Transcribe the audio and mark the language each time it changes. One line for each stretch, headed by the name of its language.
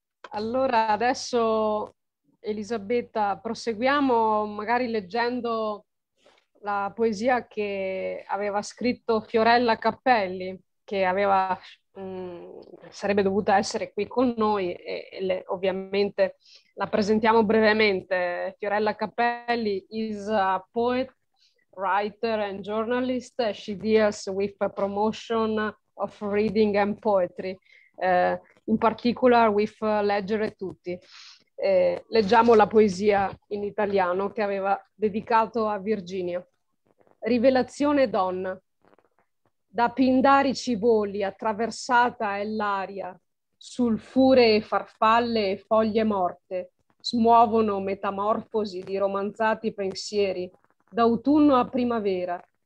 Italian: Allora, adesso, Elisabetta, proseguiamo magari leggendo la poesia che aveva scritto Fiorella Cappelli, che aveva sarebbe dovuta essere qui con noi, e ovviamente la presentiamo brevemente.
English: Fiorella Cappelli is a poet, writer and journalist. She deals with a promotion of reading and poetry, in particular with Leggere Tutti.
Italian: Leggiamo la poesia in italiano che aveva dedicato a Virginia. Rivelazione donna. Da pindarici voli attraversata è l'aria, sulfure e farfalle e foglie morte smuovono metamorfosi di romanzati pensieri d'autunno a primavera.